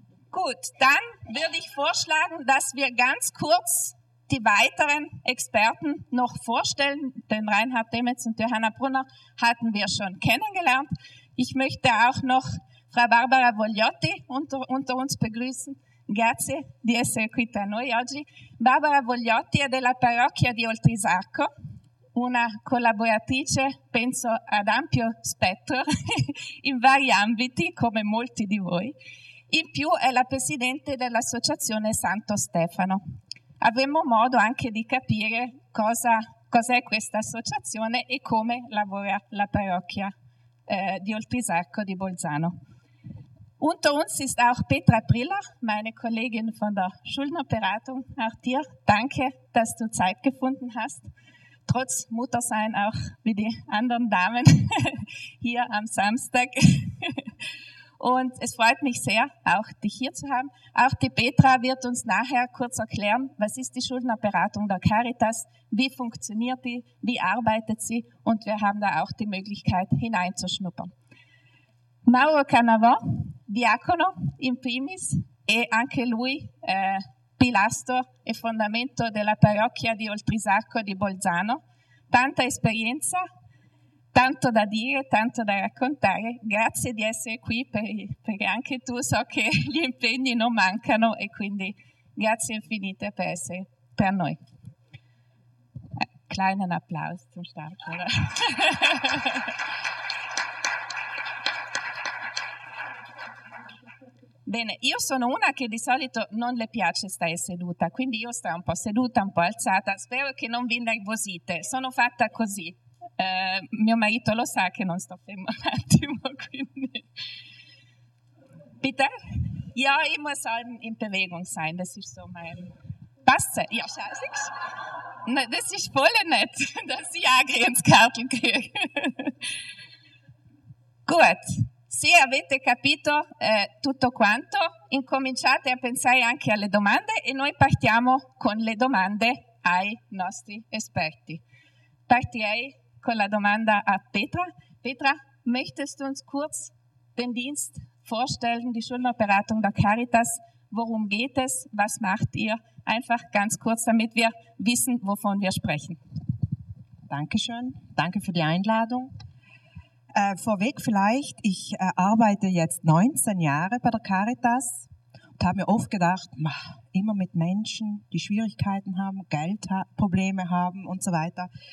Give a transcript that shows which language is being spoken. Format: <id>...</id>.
<de>Gut, dann würde ich vorschlagen, dass wir ganz kurz die weiteren Experten noch vorstellen. Den Reinhard Demetz und Johanna Brunner hatten wir schon kennengelernt. Ich möchte auch noch Frau Barbara Vogliotti unter uns begrüßen.</de> <it>Grazie di essere qui tra noi oggi. Barbara Vogliotti è della parrocchia di Oltrisarco, una collaboratrice, penso, ad ampio spettro in vari ambiti, come molti di voi. In più è la presidente dell'Associazione Santo Stefano. Avremo modo anche di capire cos'è questa associazione e come lavora la parrocchia di Oltrisarco di Bolzano.</it> <de>Unter uns ist auch Petra Briller, meine Kollegin von der Schuldnerberatung. Auch dir danke, dass du Zeit gefunden hast, trotz Muttersein auch wie die anderen Damen hier am Samstag. Und es freut mich sehr, auch dich hier zu haben. Auch die Petra wird uns nachher kurz erklären, was ist die Schuldnerberatung der Caritas, wie funktioniert die, wie arbeitet sie und wir haben da auch die Möglichkeit hineinzuschnuppern.</de> <it>Mauro Canavò, Diacono in primis e anche lui pilastro e fondamento della parrocchia di Oltrisacco di Bolzano. Tanta esperienza, tanto da dire, tanto da raccontare. Grazie di essere qui, perché anche tu so che gli impegni non mancano, e quindi grazie infinite per essere tra noi.</it> <de>Kleinen Applaus zum Start. Oder?</de> <it>Bene, io sono una che di solito non le piace stare seduta, quindi io sto un po' seduta, un po' alzata. Spero che non vi innervosite, sono fatta così. Mio marito lo sa che non sto fermo un attimo, quindi...</it> <de>Bitte? Ja, ich muss in Bewegung sein, das ist so mein... Passe? Ja, schaue ich. Das ist voll nett, dass ich auch ins Kartel kriege. Gut.</de> <it>Se avete capito tutto quanto, incominciate a pensare anche alle domande, e noi partiamo con le domande ai nostri esperti. Partirei con la domanda a Petra.</it> <de>Petra, möchtest du uns kurz den Dienst vorstellen, die Schuldnerberatung der Caritas? Worum geht es? Was macht ihr? Einfach ganz kurz, damit wir wissen, wovon wir sprechen. Dankeschön. Danke für die Einladung. Vorweg vielleicht, ich arbeite jetzt 19 Jahre bei der Caritas und habe mir oft gedacht, immer mit Menschen, die Schwierigkeiten haben, Geldprobleme haben und so weiter.</de>